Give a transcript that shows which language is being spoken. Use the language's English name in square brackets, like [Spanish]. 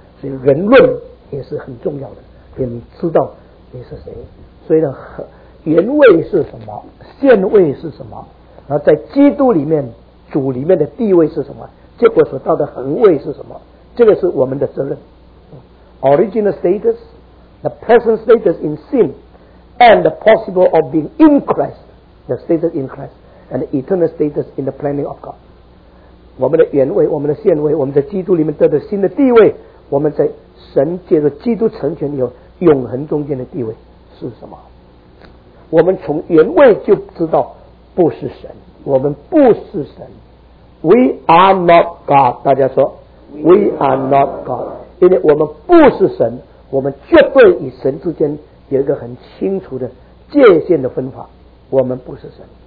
[Chinese] 所以人论也是很重要的，给你知道你是谁。所以呢，原位是什么，现位是什么，然后在基督里面，主里面的地位是什么，结果所到的恒位是什么，这个是我们的责任。 [English] Original status, the present status in sin, and the possible of being in Christ, the status in Christ, and the eternal status in the planning of God. [Chinese] 我们的原位，我们的现位，我们在基督里面得到新的地位，我们在神借着基督成全以后永恒中间的地位是什么。我们从原位就知道不是神，我们不是神。 [English] We are not God, [Chinese] 大家说 [English] We are not God, [Chinese] 因为我们不是神，我们绝对与神之间有一个很清楚的界限的分法，我们不是神。